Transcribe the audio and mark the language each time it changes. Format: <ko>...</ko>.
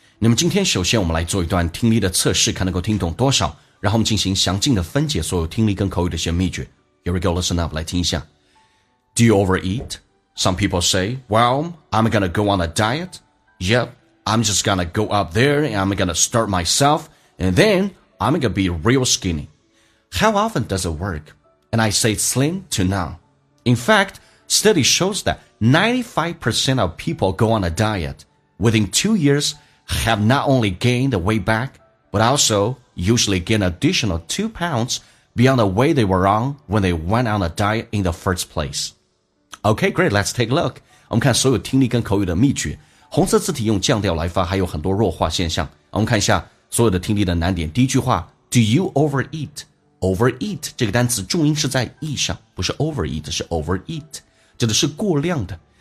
<zh>那么今天首先我们来做一段听力的测试，看能够听懂多少，然后我们进行详尽的分解所有听力跟口语的一些秘诀。</zh> <en>Here we go, listen up,</en> <zh>来听一下。</zh> <en>Do you overeat? Some people say, well, I'm gonna go on a diet. Yep, I'm just gonna go up there and I'm gonna start myself. And then I'm gonna be real skinny. How often does it work? And I say slim to none. In fact, study shows that 95% of people go on a diet. Within 2 years, have not only gained the weight back, but also usually gain additional 2 pounds beyond the way they were on when they went on a diet in the first place. Okay, great, let's take a look.</en> <zh>我们看所有听力跟口语的秘诀。红色字体用降调来发还有很多弱化现象。我们看一下所有的听力的难点。第一句话</zh> <en>Do you overeat?</en> <zh>Overeat 这个单词重音是在 e 上，不是 overeat， 是 overeat， 指的是过量的。</zh>